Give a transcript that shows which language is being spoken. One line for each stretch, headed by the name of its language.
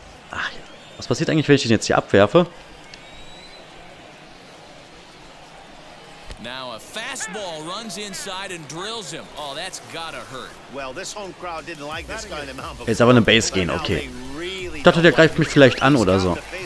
German: Ach, was passiert eigentlich, wenn ich den jetzt hier abwerfe?
English: Now a fastball runs inside and drills him. Oh, that's gotta hurt. Well, this home crowd didn't like this guy in the mountain.
German: Jetzt aber eine Base gehen, okay. Ich dachte, der greift mich vielleicht an oder so.